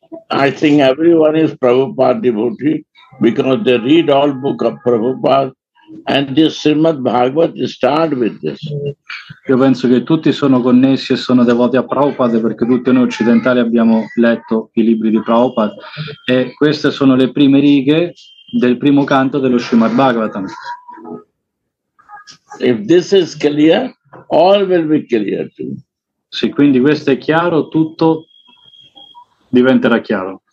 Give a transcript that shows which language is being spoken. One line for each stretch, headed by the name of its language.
English: I think everyone is Prabhupada devotee because they read all book of Prabhupada and this Srimad Bhagavat start with this.
Italian: Io penso che tutti sono connessi e sono devoti a Prabhupada perché tutti noi occidentali abbiamo letto i libri di Prabhupada e queste sono le prime righe del primo canto dello Srimad Bhagavatam.
English: If this is clear, all will be clear too.
Italian: Se quindi questo è chiaro, tutto diventerà chiaro.